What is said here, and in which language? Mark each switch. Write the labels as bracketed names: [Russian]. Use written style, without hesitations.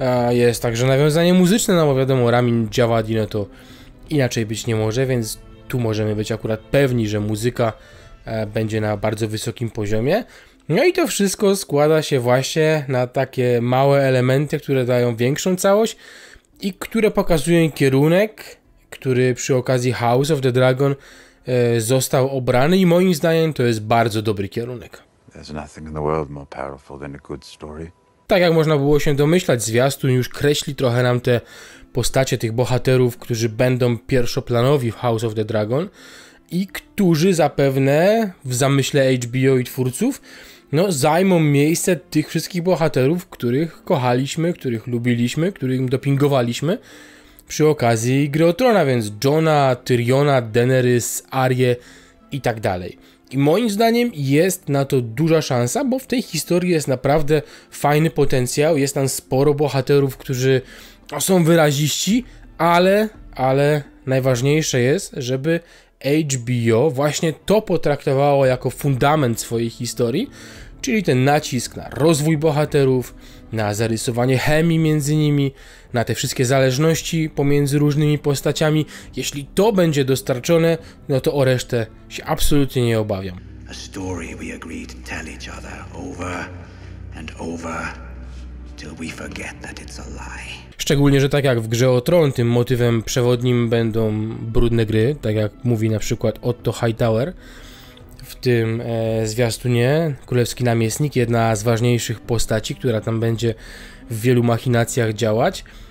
[Polish] Jest także nawiązanie muzyczne, no bo wiadomo, Ramin Djawadi, no to inaczej być nie może, więc tu możemy być akurat pewni, że muzyka będzie na bardzo wysokim poziomie. No i to wszystko składa się właśnie na takie małe elementy, które dają większą całość i które pokazują kierunek, który przy okazji House of the Dragon został obrany, i moim zdaniem to jest bardzo dobry kierunek. [English] There's nothing in the world more powerful than a good story. [Polish] Tak jak można było się domyślać, zwiastun już kreśli trochę nam te postacie tych bohaterów, którzy będą pierwszoplanowi w House of the Dragon i którzy zapewne w zamyśle HBO i twórców no zajmą miejsce tych wszystkich bohaterów, których kochaliśmy, których lubiliśmy, którym dopingowaliśmy przy okazji Gry o Trona, więc Jona, Tyriona, Daenerys, Arię i tak dalej. I moim zdaniem jest na to duża szansa, bo w tej historii jest naprawdę fajny potencjał, jest tam sporo bohaterów, którzy są wyraziści, ale najważniejsze jest, żeby HBO właśnie to potraktowało jako fundament swojej historii, czyli ten nacisk na rozwój bohaterów, na zarysowanie chemii między nimi, na te wszystkie zależności pomiędzy różnymi postaciami. Jeśli to będzie dostarczone, no to o resztę się absolutnie nie obawiam. [English] A story we agreed to tell each other over and over till we forget that it's a lie. [Polish] Szczególnie, że tak jak w Grze o Tron, tym motywem przewodnim będą brudne gry, tak jak mówi na przykład Otto Hightower w tym zwiastunie, królewski namiestnik, jedna z ważniejszych postaci, która tam będzie w wielu machinacjach działać.